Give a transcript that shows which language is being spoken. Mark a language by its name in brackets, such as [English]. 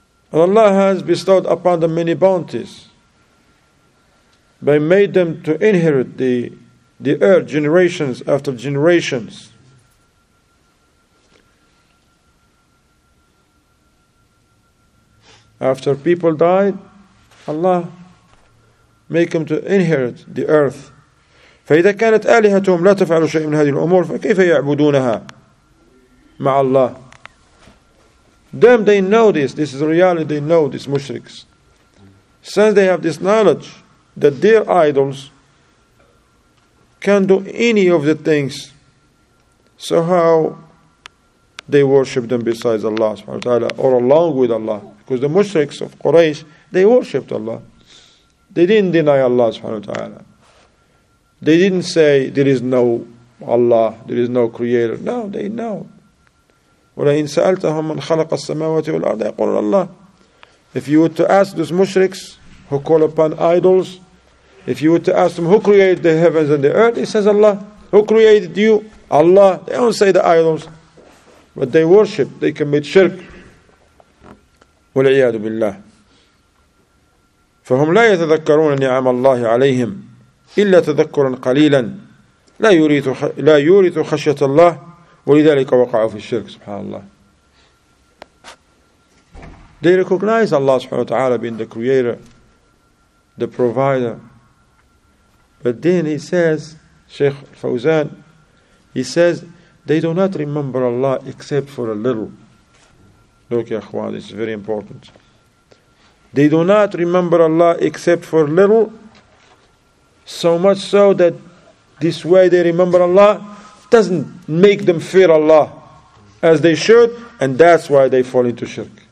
[English] And Allah has bestowed upon them many bounties by made them to inherit the earth generations after generations. After people died, Allah make them to inherit the earth. [Arabic] فإذا كانت آلهتهم لا تفعل شيء من هذه الأمور فكيف يعبدونها مع الله. [English] Them, they know this. This is reality. They know these mushriks. Since they have this knowledge that their idols can do any of the things, so how they worship them besides Allah subhanahu wa ta'ala, or along with Allah? Because the mushriks of Quraysh, they worshipped Allah. They didn't deny Allah subhanahu wa ta'ala. They didn't say there is no Allah, there is no creator. No, they know. [Arabic] وَلَئِنْ سَأَلْتَهُمْ مَنْ خَلَقَ السَّمَاوَةِ وَالْأَرْضَ يَقُولُ اللَّهِ. [English] If you were to ask those mushriks who call upon idols, if you were to ask them who created the heavens and the earth, it says Allah. Who created you? Allah. They don't say the idols. But they worship, they commit shirk. [Arabic] والعياذ بالله فهم لا يتذكرون نعم الله عليهم إلا تذكرا قليلا لا يورث خشية الله ولذلك وقعوا في الشرك سبحان الله. [English] They recognize Allah subhanahu wa ta'ala being the creator, the provider. But then he says, Sheikh Fawzan, he says, they do not remember Allah except for a little. Look, Yaqwan, this is very important. They do not remember Allah except for little, so much so that this way they remember Allah doesn't make them fear Allah as they should, and that's why they fall into shirk.